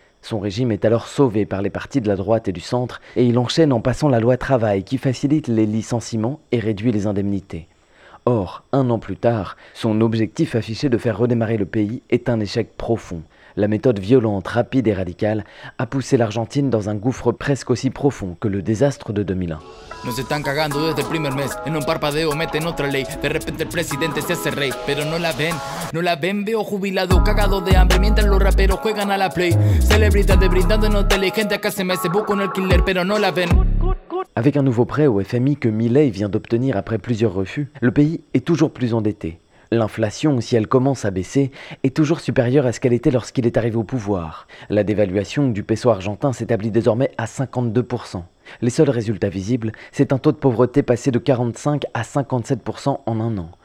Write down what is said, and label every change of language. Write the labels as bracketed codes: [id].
[fr] Son régime est alors sauvé par les partis de la droite et du centre, et il enchaîne en passant la loi travail qui facilite les licenciements et réduit les indemnités. Or, un an plus tard, son objectif affiché de faire redémarrer le pays est un échec profond. La méthode violente, rapide et radicale a poussé l'Argentine dans un gouffre presque aussi profond que le désastre de 2001. [es] Nos están cagando desde el primer mes, en un parpadeo meten otra ley. De repente el presidente se hace rey, pero no la ven, no la ven. Veo jubilado, cagado de hambre, mientras los raperos juegan a la play. Celebridades brindando en hotel y gente acá se me se busca un alquiler, pero no la ven. [fr] Avec un nouveau prêt au FMI que Milei vient d'obtenir après plusieurs refus, le pays est toujours plus endetté. L'inflation, si elle commence à baisser, est toujours supérieure à ce qu'elle était lorsqu'il est arrivé au pouvoir. La dévaluation du peso argentin s'établit désormais à 52%. Les seuls résultats visibles, c'est un taux de pauvreté passé de 45 à 57% en un an.